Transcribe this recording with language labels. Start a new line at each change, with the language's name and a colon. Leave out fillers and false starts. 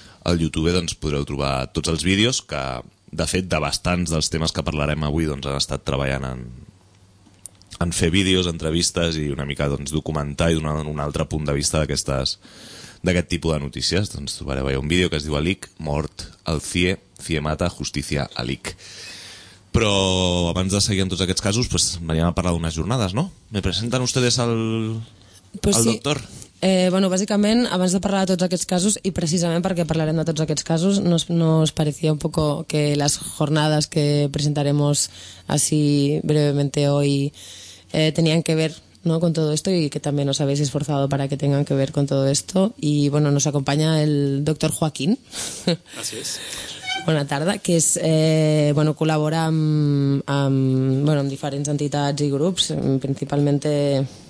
Catalan: al YouTube doncs, podreu trobar tots els vídeos que, de fet, de bastants dels temes que parlarem avui doncs, han estat treballant en fer vídeos, entrevistes i una mica doncs, documentar i donar un altre punt de vista d'aquest tipus de notícies. Doncs trobareu un vídeo que es diu Alic, mort al CIE, CIE mata, justícia Alic. Però abans de seguir amb tots aquests casos, pues, veníem a parlar d'unes jornades, no?
Spanish: ¿Me presenten ustedes al, pues al sí. doctor?
Catalan: Bueno, bàsicament, abans de parlar de tots aquests casos,
Spanish: i precisament perquè parlarem de tots aquests casos, no us parecía un poco que las jornadas que presentaremos así brevemente hoy tenían que ver, ¿no?, con todo esto y que también os habéis esforzado para que tengan que ver con todo esto. Y bueno, nos acompaña el doctor Joaquín. Así es.
Catalan: Bona tarda, que és, bueno, col·labora amb diferents entitats i grups, principalmente...